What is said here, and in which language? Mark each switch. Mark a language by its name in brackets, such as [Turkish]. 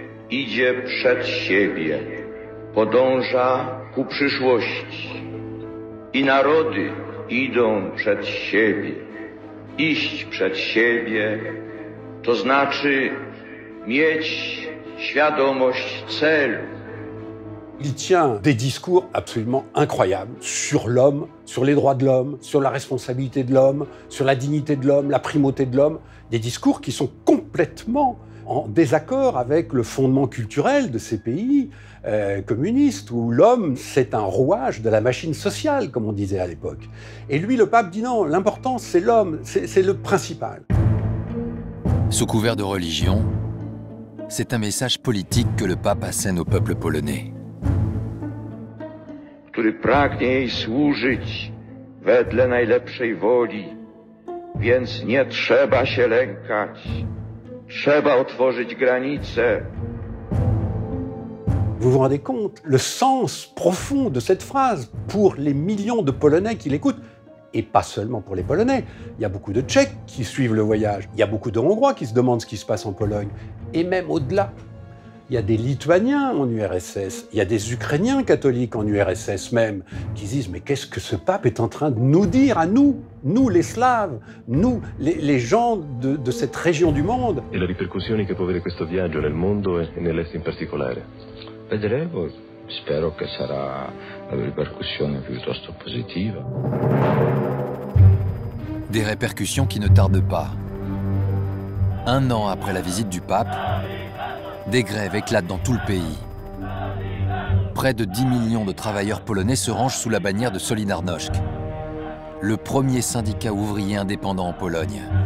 [Polish] idzie przed siebie, podąża ku przyszłości. I narody idą przed siebie. Iść przed siebie to znaczy mieć świadomość celu. [French] Il tient des discours absolument incroyables sur l'homme, sur les droits de l'homme, sur la responsabilité de l'homme, sur la dignité de l'homme, la primauté de l'homme. Des discours qui sont complètement en désaccord avec le fondement culturel de ces pays communistes, où l'homme, c'est un rouage de la machine sociale, comme on disait à l'époque. Et lui, le pape, dit non, l'important, c'est l'homme, c'est le principal. Sous couvert de religion, c'est un message politique que le pape assène au peuple polonais. [Polish] Który pragnie jej służyć wedle najlepszej woli. Więc nie trzeba się lękać. Trzeba otworzyć granice. [French] Vous vous rendez compte, le sens profond de cette phrase pour les millions de Polonais qui l'écoutent, et pas seulement pour les Polonais, il y a beaucoup de Tchèques qui suivent le voyage, il y a beaucoup de Hongrois qui se demandent ce qui se passe en Pologne, et même au-delà. Il y a des Lituaniens en URSS, il y a des Ukrainiens catholiques en URSS même, qui disent « Mais qu'est-ce que ce pape est en train de nous dire à nous, nous les Slaves, nous les gens de cette région du monde ?» Et les répercussions que peut avoir ce voyage dans le monde et dans l'Est en particulier. [Italian] Vedremo, spero che sarà una ripercussione piuttosto positiva. [French] Des répercussions qui ne tardent pas. Un an après la visite du pape, des grèves éclatent dans tout le pays. Près de 10 millions de travailleurs polonais se rangent sous la bannière de Solidarność, le premier syndicat ouvrier indépendant en Pologne.